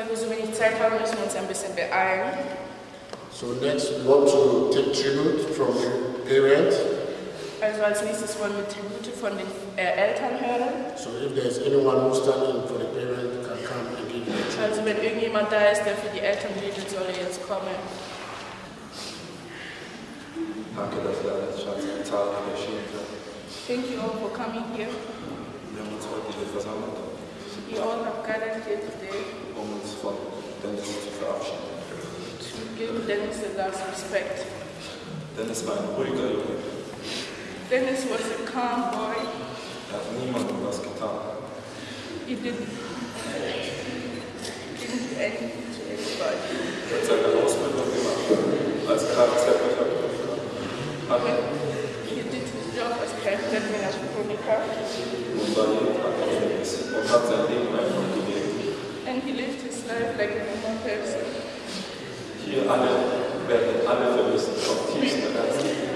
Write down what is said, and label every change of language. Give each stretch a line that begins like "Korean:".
German: wenig Zeit haben, müssen wir uns ein bisschen beeilen.
English: So next we want to take tribute from the parents.
German: Also als nächstes wollen wir Tribute von den Eltern hören.
English: So if there's anyone who's standing for the parents, can come and give you a tribute.
German: Also wenn irgendjemand da ist, der für die Eltern betet, soll er jetzt kommen. Danke, dass ihr alles Schatz gezahlt habt, erschienen seid.
English: Thank you all for coming here.
German: Wir haben uns heute hier versammelt.
English: You all have gathered here today.
German: Um uns von Dennis zu verabschieden.
English: To give Dennis the last respect.
German: Dennis war ein ruhiger Junge.
English: Dennis was a calm boy.
German: Er hat niemandem was getan.
English: He didn't do anything to anybody.
German: Er hat seine Ausbildung gemacht, als Kfz-Mechaniker.
English: He did his job as Kfz-Mechaniker.
German: Und war jeden Tag auf dem Weg und hat sein Leben einfach gelebt.
English: And he lived his life like a normal person.
German: Hier alle werden alle vermissen vom tiefsten Herzen.